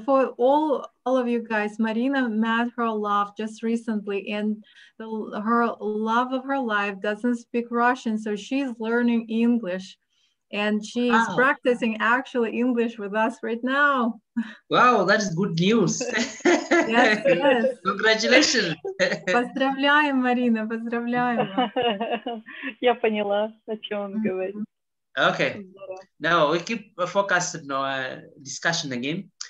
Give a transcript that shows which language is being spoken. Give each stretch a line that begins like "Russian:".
English: For all of you guys, Marina met her love just recently, and her love of her life doesn't speak Russian, so she's learning English, and she's practicing actually English with us right now. Wow, that's good news. Yes. Congratulations.
Russian: Поздравляем, Марина, поздравляем. Я поняла, о чем он говорит.
English: Okay. Now we keep focused on our discussion again.